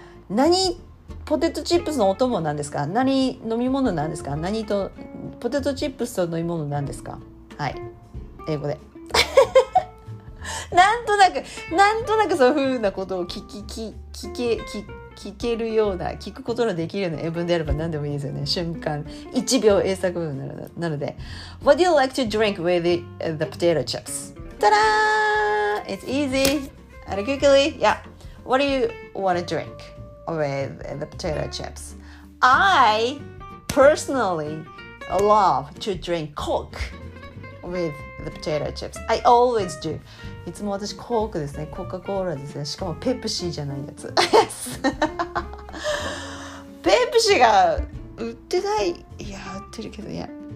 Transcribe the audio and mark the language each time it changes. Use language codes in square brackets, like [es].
[ja] 何、ポテトチップスのお供なんですか、何飲み物なんですか、何と、ポテトチップスと飲み物なんですか。はい、英語で。なんとなくそういう風なことを聞けるような聞くことのできるような英文であれば何でもいいですよね。瞬間1秒英作文なので、 [en] What do you like to drink with the potato chips? たらー、 It's easy and quickly. Yeah, what do you want to drink with the potato chips? I personallyLove to drink Coke with the potato chips. I always do. [ja] いつも私コークですね。コカコーラですね。しかもペプシーじゃないやつ。 [en] Yes. [ja] ペプシーが売ってない。いや、売ってるけどね。